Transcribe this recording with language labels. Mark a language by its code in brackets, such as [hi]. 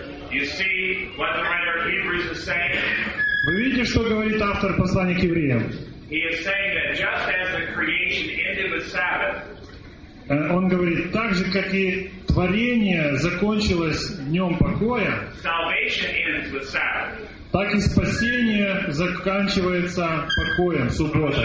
[en] You see what the writer of Hebrews is saying. [ru] Вы видите, что говорит автор послания к евреям? [en] He is saying that just as the creation ended with Sabbath. [ru] Он говорит, так же, как и творение закончилось днем покоя, [en] salvation ends with Sabbath. [ru] Так и спасение заканчивается покоем, субботой.